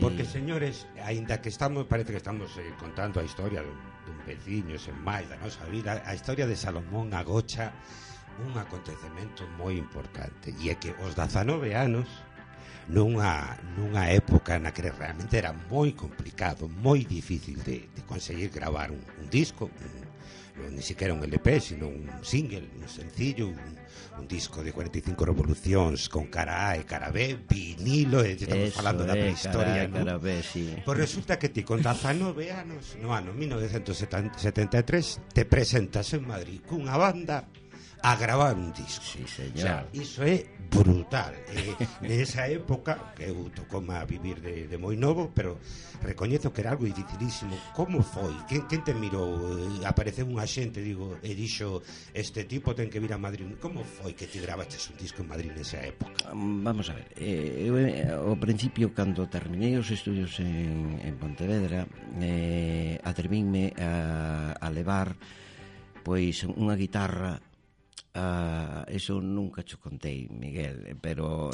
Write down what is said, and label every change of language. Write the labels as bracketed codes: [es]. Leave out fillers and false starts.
[gl] Porque, señores, aínda que estamos, parece que estamos contando a historia dun veciño, sen máis da nosa vida, a historia de Salomón agocha un acontecemento moi importante, e é que os 19 anos, nunha época na que realmente era moi complicado, moi difícil de conseguir gravar un disco, [es] ni siquiera un LP, sino un single, un sencillo, un disco de 45 revoluciones con cara A y cara B, [gl] vinilo, estamos [es] eso [gl] falando de la prehistoria, [es] cara A, ¿no? Cara B, sí. Pues resulta que ti con 19 años, no año 1973, te presentas en Madrid con una banda a grabar un disco. Sí, señor. O sea, eso es brutal. En esa época, que eu tocó a vivir de muy novo, pero [gl] recoñezo [es] que era algo dificilísimo. ¿Cómo fue? ¿Quién te miró? [gl] Apareceu un agente, digo, [es] he dicho, [gl] este tipo ten que vir a Madrid. [es] ¿Cómo fue que te grabaste un disco en Madrid en esa época? Vamos a ver. [gl] Ao principio, cando terminei os estudios en Pontevedra, atrevinme a levar pois unha guitarra. Eso nunca cho contei, Miguel, pero